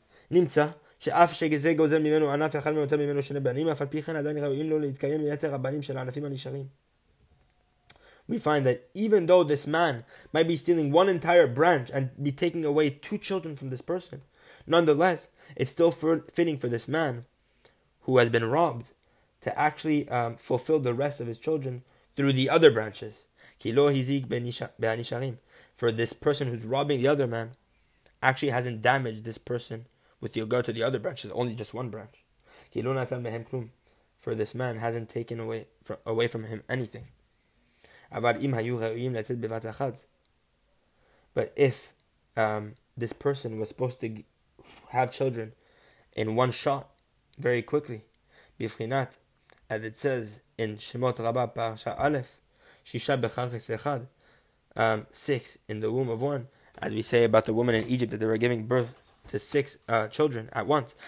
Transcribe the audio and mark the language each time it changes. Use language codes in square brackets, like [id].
[he] Nimtza, שאף שגזה גוזל ממנו ענף אחד מיותר ממנו שני בנים, אף על פי כן עדיין ראויים לו להתקיים ליתר הבנים של הענפים הנשארים. [en] We find that even though this man might be stealing one entire branch and be taking away two children from this person, nonetheless, it's still fitting for this man who has been robbed to actually fulfill the rest of his children through the other branches. [he] כי לא היזיק בהנשארים. [en] For this person who's robbing the other man actually hasn't damaged this person with regard to the other branches, only just one branch. [he] כי לא נתן מהם כלום. [en] For this man hasn't taken away from him anything. [he] אבל אם היו ראויים לצאת בבת אחת. [en] But if this person was supposed to have children in one shot, very quickly, בבחינת, as it says in Shemot Rabba Parsha Aleph, [he] שישה בחרכס אחד, [en] six in the womb of one, as we say about the woman in Egypt that they were giving birth to six children at once.